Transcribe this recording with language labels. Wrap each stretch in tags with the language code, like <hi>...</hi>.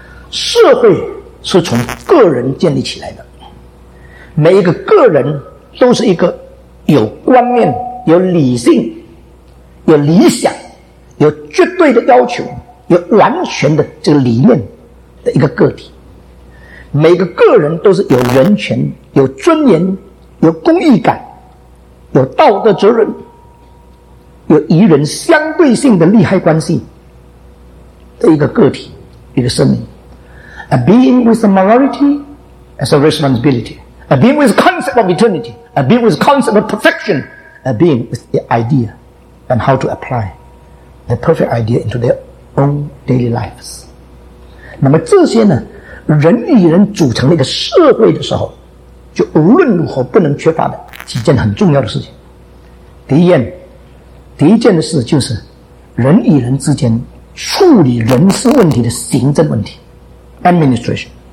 <zh>社会是从个人建立起来的，每一个个人都是一个有观念、有理性、有理想、有绝对的要求、有完全的这个理念的一个个体。每个个人都是有人权、有尊严、有公义感、有道德责任、有与人相对性的利害关系的一个个体、一个生命。</zh> <en>A being with a morality as a responsibility. A being with a concept of eternity. A being with a concept of perfection. A being with the idea and how to apply the perfect idea into their own daily lives.</en> <zh>那么这些呢，人与人组成了一个社会的时候，就无论如何不能缺乏的几件很重要的事情。第一件的事就是人与人之间处理人事问题的行政问题 administration。</zh>